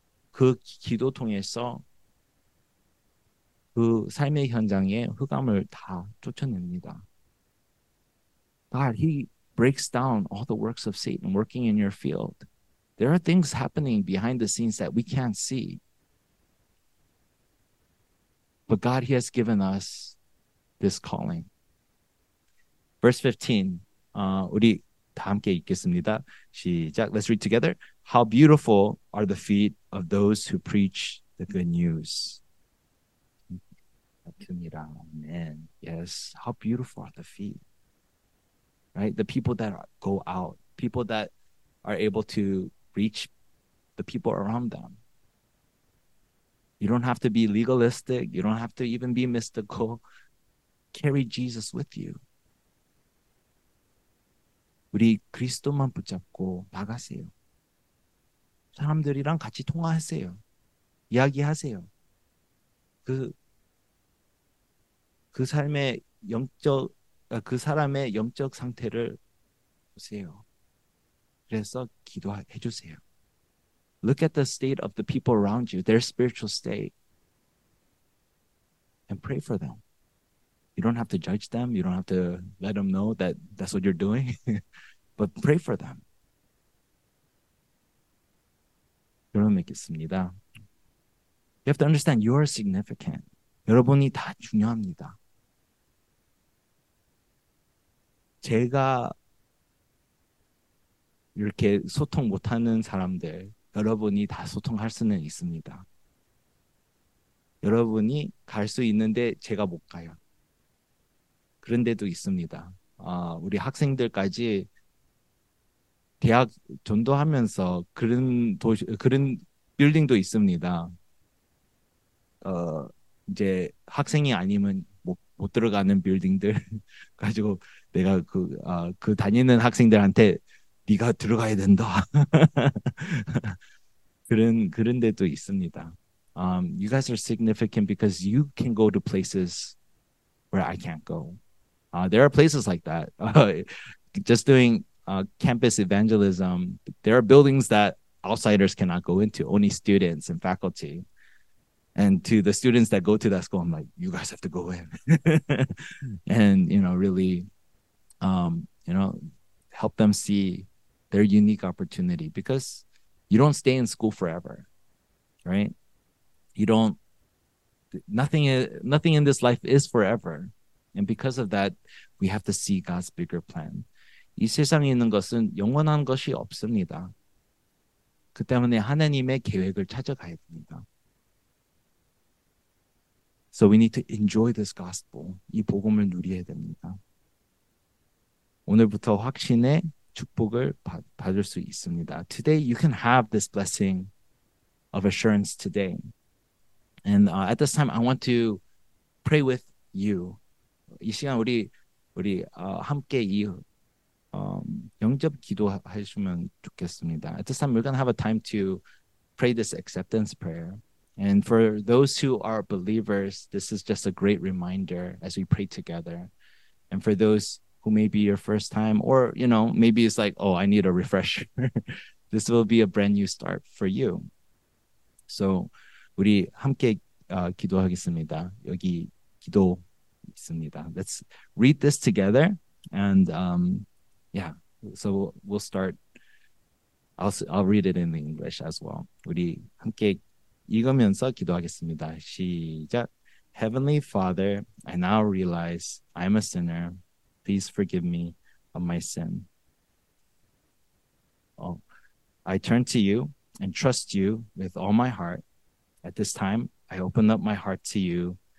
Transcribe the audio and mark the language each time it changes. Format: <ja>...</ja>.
<ko>그 기도 통해서 그 삶의 현장에 흑암을 다 쫓아냅니다.</ko> <en>God, he breaks down all the works of Satan working in your field. There are things happening behind the scenes that we can't see. But God, he has given us this calling. Verse 15,</en> <ko>우리 다 함께 읽겠습니다.</ko> <en>시작, let's read together. How beautiful are the feet of those who preach the good news. Amen. Yes, how beautiful are the feet. Right? The people that go out, people that are able to reach the people around them. You don't have to be legalistic. You don't have to even be mystical. Carry Jesus with you.</en> <ko>우리 그리스도만 붙잡고 나가세요. 사람들이랑 같이 통화하세요. 이야기하세요. 그 삶의 영적, 그 사람의 영적 상태를 보세요. 그래서 기도해 주세요.</ko> <en>Look at the state of the people around you, their spiritual state, and pray for them. You don't have to judge them. You don't have to let them know that that's what you're doing, but pray for them.</en> <ko>여러분 믿겠습니다.</ko> <en>You have to understand you are significant.</en> <ko>여러분이 다 중요합니다. 제가 이렇게 소통 못하는 사람들, 여러분이 다 소통할 수는 있습니다. 여러분이 갈 수 있는데 제가 못 가요. 그런 데도 있습니다. 우리 학생들까지 대학 전도하면서 그런 도시, 그런 빌딩도 있습니다. 이제 학생이 아니면 못 들어가는 빌딩들 가지고 내가 그 다니는 학생들한테 네가 들어가야 된다. 그런 데도 있습니다.</ko> <en>You guys are significant because you can go to places where I can't go. There are places like that. Just doing campus evangelism, there are buildings that outsiders cannot go into, only students and faculty. And to the students that go to that school, I'm like, you guys have to go in. And, you know, really, you know, help them see their unique opportunity, because you don't stay in school forever, right? Nothing in this life is forever. And because of that, we have to see God's bigger plan.</en> <ko>이 세상에 있는 것은 영원한 것이 없습니다. 그 때문에 하나님의 계획을 찾아가야 됩니다.</ko> <en>So we need to enjoy this gospel.</en> <ko>이 복음을 누려야 됩니다. 오늘부터 확신의 축복을 받을 수 있습니다.</ko> <en>Today, you can have this blessing of assurance today. And at this time, I want to pray with you.</en> <ko>이 시간 우리 함께 이 영접 기도하시면 좋겠습니다.</ko> <en>At this time, we're going to have a time to pray this acceptance prayer. And for those who are believers, this is just a great reminder as we pray together. And for those who may be your first time, or, you know, maybe it's like, oh, I need a refresher. This will be a brand new start for you.</en> <ko>So, 우리 함께 기도하겠습니다. 여기 기도 있습니다.</ko> <en>Let's read this together. And yeah, so we'll start. I'll read it in the English as well.</en> <ko>우리 함께 읽으면서 기도하겠습니다. 시작.</ko> <en>Heavenly Father, I now realize I'm a sinner. Please forgive me of my sin. Oh, I turn to you and trust you with all my heart. At this time, I open up my heart to you.</en>